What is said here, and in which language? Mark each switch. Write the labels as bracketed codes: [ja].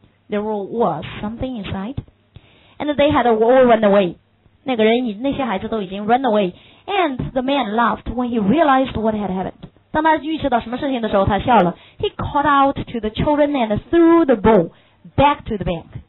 [en] there was something inside and they had all run away， [zh] 那些孩子都已经 [en] run awayAnd the man laughed when he realized what had happened. [zh] 当他预知到什么事情的时候，他笑了。 [en] He called out to the children and threw the ball back to the bank.